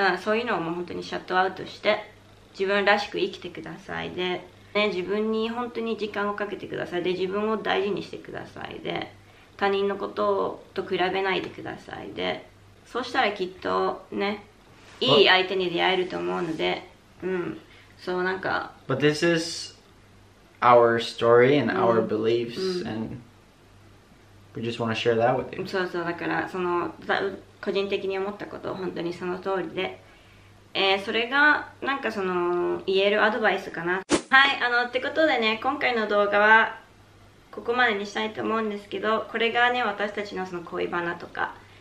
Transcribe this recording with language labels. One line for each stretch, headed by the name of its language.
Japanese: そういうのをもう本当にシャットアウトして、自分らしく生きてください。で、ね、自分に本当に時間をかけてください。で、自分を大事にしてください。で、他人のことと比べないでください。で、そうしたらきっとね、いい相手に出会えると思うので、うん、そうなんか。
English: But this is our story and our beliefs,、うん、and we just want to share that with you.
Japanese: そうそう、だからその個人的に思ったことを本当にその通りで、それがなんかその言えるアドバイスかな。はい、あのってことでね、今回の動画はここまでにしたいと思うんですけど、これがね私たちのその恋バナとか。